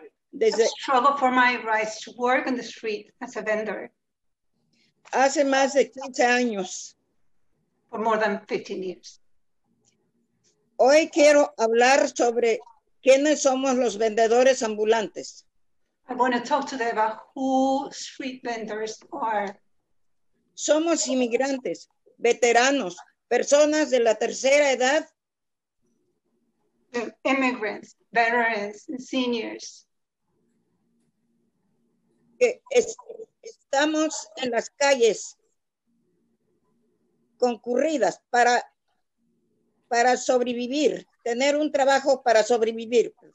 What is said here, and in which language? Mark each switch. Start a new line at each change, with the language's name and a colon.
Spanish: Desde
English: I struggle for my rights to work on the street as a vendor.
Spanish: Hace más de 15 años.
English: For more than 15 years.
Spanish: Hoy quiero hablar sobre quiénes somos los vendedores ambulantes.
English: I want to talk to them about who street vendors are.
Spanish: Somos inmigrantes, veteranos, personas de la tercera edad.
English: Immigrants, veterans, and seniors.
Spanish: Estamos en las calles concurridas para sobrevivir, tener un trabajo para sobrevivir.